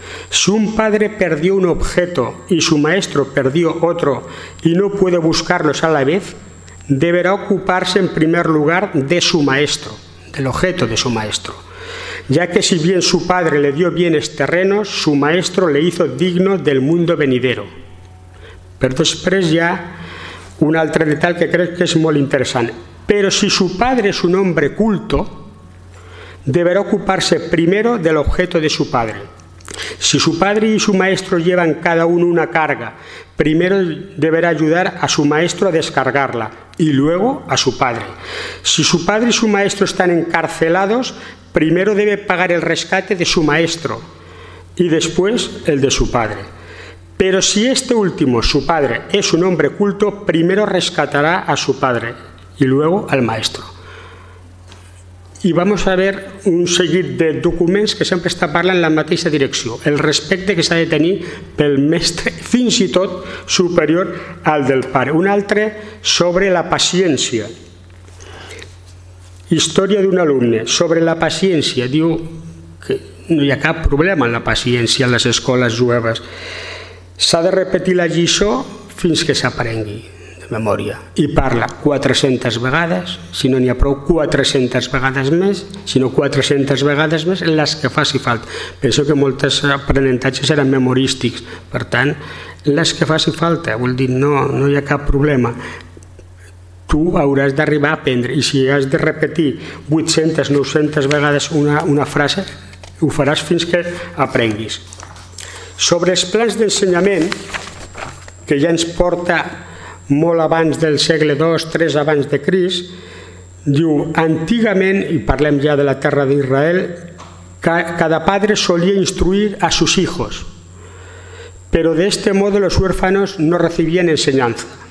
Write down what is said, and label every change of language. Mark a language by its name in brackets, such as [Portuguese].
[Spanish] Si un padre perdió un objeto y su maestro perdió otro y no puede buscarlos a la vez, deberá ocuparse en primer lugar de su maestro, del objeto de su maestro. Ya que si bien su padre le dio bienes terrenos, su maestro le hizo digno del mundo venidero. Pero después ya [Catalan] un altre detall que crec que és molt interessant. [Spanish] Pero si su padre es un hombre culto, deberá ocuparse primero del objeto de su padre. Si su padre y su maestro llevan cada uno una carga, primero deberá ayudar a su maestro a descargarla y luego a su padre. Si su padre y su maestro están encarcelados, primero debe pagar el rescate de su maestro y después el de su padre. Pero si este último, su padre, es un hombre culto, primero rescatará a su padre y luego al maestro. [Catalan] I [Spanish] vamos a ver [Catalan] un seguit de documents que sempre està parlant en la mateixa direcció. El respecte que s'ha de tenir pel mestre, fins i tot superior al del pare. Un altre sobre la paciència. Història d'un alumne. Sobre la paciència. Diu que no hi ha cap problema en la paciència en les escoles jueves. S'ha de repetir la lliçó fins que s'aprengui memòria. I parla 400 vegades, si no n'hi ha prou, 400 vegades més, sinó 400 vegades més les que faci falta. Penso que moltes aprenentatges eren memorístics, per tant, les que faci falta, vol dir, no hi ha cap problema. Tu hauràs d'arribar a aprendre i si has de repetir 800, 900 vegades una frase, ho faràs fins que aprenguis. Sobre els plans d'ensenyament, que ja ens porta molt abans del segle II, III abans de Crist, diu, antigament, i parlem ja de la terra d'Israel, [Spanish] cada padre solia instruir a sus hijos, pero de este modo los huérfanos no recibían enseñanza.